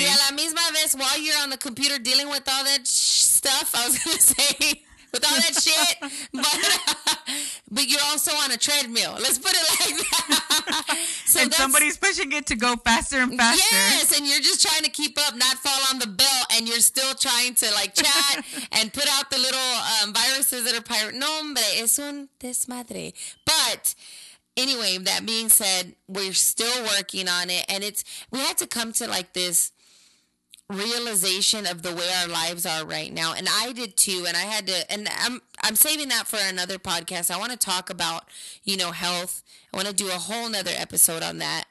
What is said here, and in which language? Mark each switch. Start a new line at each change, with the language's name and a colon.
Spanish: Y a la misma vez
English: while you're on the computer dealing with all that stuff, I was going to say, with all that shit, but you're also on a treadmill. Let's put it like that. So and somebody's pushing it to go faster and faster. Yes, and you're just trying to keep up, not fall on the belt, and you're still trying to like chat and put out the little viruses that are pirate.
Spanish: No, hombre, es un desmadre.
English: But anyway, that being said, we're still working on it, and we had to come to like this realization of the way our lives are right now. And I did too. And I had to, and I'm saving that for another podcast. I want to talk about, you know, health. I want to do a whole nother episode on that.